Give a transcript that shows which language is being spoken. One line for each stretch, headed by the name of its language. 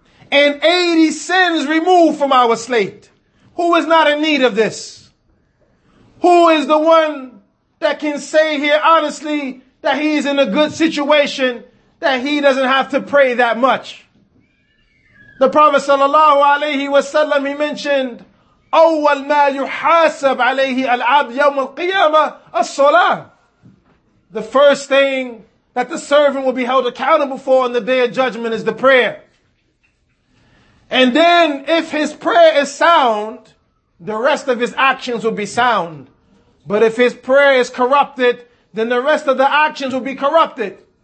English: And 80 sins removed from our slate. Who is not in need of this? Who is the one that can say here honestly that he is in a good situation, that he doesn't have to pray that much? The Prophet sallallahu alayhi wa sallam, he mentioned,
Arabic: أول ما يحاسب عليه العبد يوم القيامة الصلاة.
English: The first thing that the servant will be held accountable for on the day of judgment is the prayer. And then if his prayer is sound, the rest of his actions will be sound. But if his prayer is corrupted, then the rest of the actions will be corrupted.